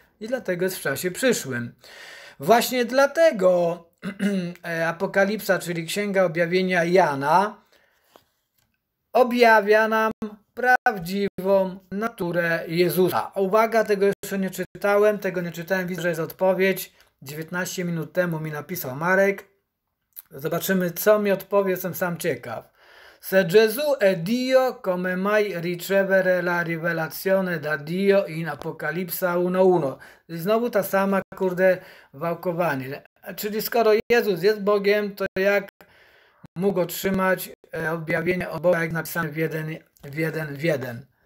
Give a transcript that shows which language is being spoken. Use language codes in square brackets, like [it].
[pl] I dlatego jest w czasie przyszłym. Właśnie dlatego Apokalipsa, czyli Księga Objawienia Jana, objawia nam prawdziwą naturę Jezusa. Uwaga, tego jeszcze nie czytałem, widzę, że jest odpowiedź. 19 minut temu mi napisał Marek. Zobaczymy, co mi odpowie, jestem sam ciekaw. [it] Se Gesù è Dio, come mai ricevere la rivelazione da Dio in Apocalipsa 1:1? [pl] Znowu ta sama, kurde, wałkowanie. Czyli skoro Jezus jest Bogiem, to jak mógł otrzymać objawienie o Boga, jak napisane w 1:1:1?